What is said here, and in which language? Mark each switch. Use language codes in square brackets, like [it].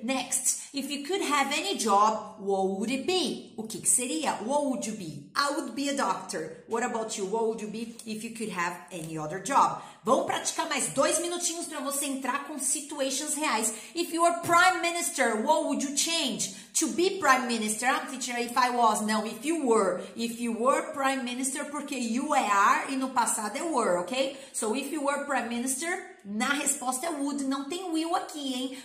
[en] Next, if you could have any job, what would it be? [pt] O que seria? [en] What would you be? I would be a doctor. What about you? What would you be if you could have any other job? [pt] Vamos praticar mais 2 minutinhos para você entrar com situations reais. [en] If you were prime minister, what would you change? To be prime minister, I'm teacher, if I was. No, if you were prime minister, [pt] porque [en] you are [pt] e no passado é [en] were, ok? So if you were prime minister, [pt] na resposta é [en] would, [pt] não tem [en] will [pt] aqui, hein?